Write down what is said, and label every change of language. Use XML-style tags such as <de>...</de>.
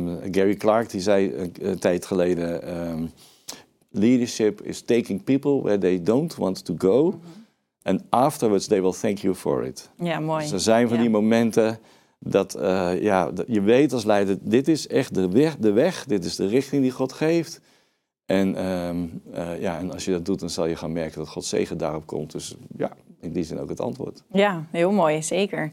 <nl>Gary Clark die zei een tijd geleden...</nl> <en>Leadership is taking people where they don't want to go... Mm-hmm. En afterwards, they will thank you for it.</en> <nl>Ja, mooi. Dus er zijn van die momenten dat je weet als leider, dit is echt de weg, dit is de richting die God geeft. En als je dat doet, dan zal je gaan merken dat God zegen daarop komt. Dus ja, in die zin ook het antwoord. Ja, heel mooi, zeker.</nl>